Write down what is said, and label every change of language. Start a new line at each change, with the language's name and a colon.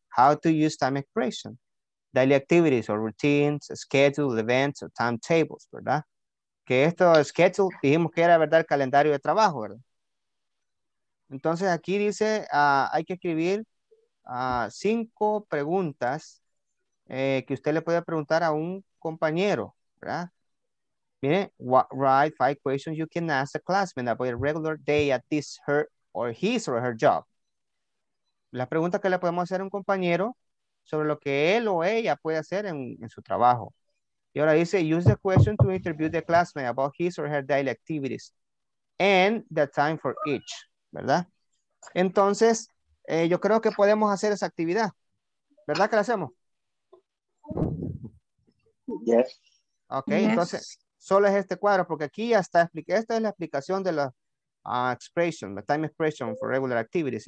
English: How to use time expression. Daily activities or routines, scheduled events or timetables, ¿verdad?
Spanish: Que esto, schedule, dijimos que era, ¿verdad? El calendario de trabajo, ¿verdad? Entonces aquí dice, hay que escribir 5 preguntas que usted le puede preguntar a un compañero, ¿verdad?
English: Mire, write 5 questions you can ask a classmate about a regular day at this, her, or his or her job.
Spanish: La pregunta que le podemos hacer a un compañero sobre lo que él o ella puede hacer en su trabajo. Y ahora dice,
English: use the question to interview the classmate about his or her daily activities and the time for each, ¿verdad?
Spanish: Entonces, yo creo que podemos hacer esa actividad. ¿Verdad que la hacemos?
English: Yes. Ok, yes.
Spanish: Entonces, solo es este cuadro, porque aquí ya está explicado. Esta es la explicación de la expression,
English: the time expression for regular activities.